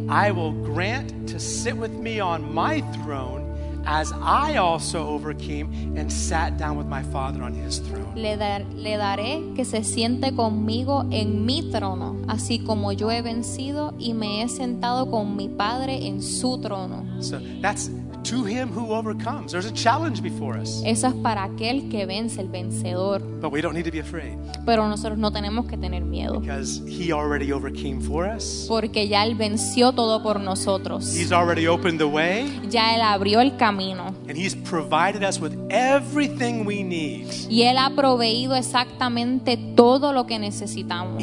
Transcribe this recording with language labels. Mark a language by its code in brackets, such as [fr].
[en] I will grant to sit with me on my throne. as I also overcame and sat down with my Father on His throne. [es] Le daré que se siente conmigo en mi trono, así como yo he vencido y me he sentado con mi Padre en su trono. [en] So that's to him who overcomes. There's a challenge before us. [es] Eso es para aquel que vence, el vencedor. [en] But we don't need to be afraid. [es] Pero nosotros no tenemos que tener miedo. [en] Because he already overcame for us. [es] Porque ya él venció todo por nosotros. [en] He's already opened the way. [es] Ya él abrió el camino. [en] And he's provided us with everything we need. [es] Y él ha proveído exactamente todo lo que necesitamos.